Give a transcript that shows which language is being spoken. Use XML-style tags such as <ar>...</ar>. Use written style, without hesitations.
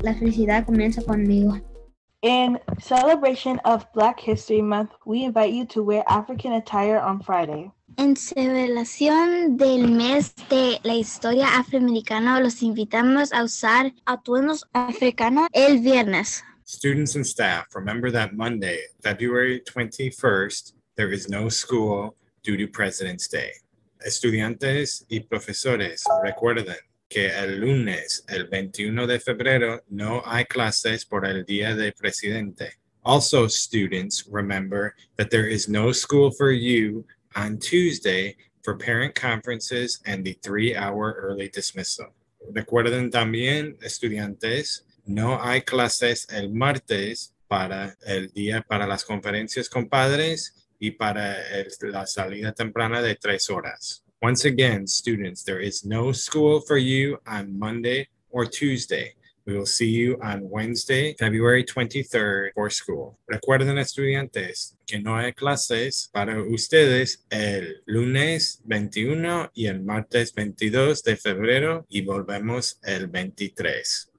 <es>La felicidad comienza conmigo.</es> <en>In celebration of Black History Month, we invite you to wear African attire on Friday.</en> <es>En celebración del mes de la historia afroamericana, los invitamos a usar atuendos africanos el viernes.</es> <en>Students and staff, remember that Monday, February 21st, there is no school due to President's Day.</en> <es>Estudiantes y profesores, recuerden que el lunes, el 21 de febrero, no hay clases por el Día del Presidente.</es> <en>Also, students, remember that there is no school for you on Tuesday for parent conferences and the 3-hour early dismissal.</en> <es>Recuerden también, estudiantes, no hay clases el martes para el día para las conferencias con padres y para la salida temprana de 3 horas.</es> <en>Once again, students, there is no school for you on Monday or Tuesday. We will see you on Wednesday, February 23rd, for school.</en> <es>Recuerden, estudiantes, que no hay clases para ustedes el lunes 21 y el martes 22 de febrero y volvemos el 23.</es>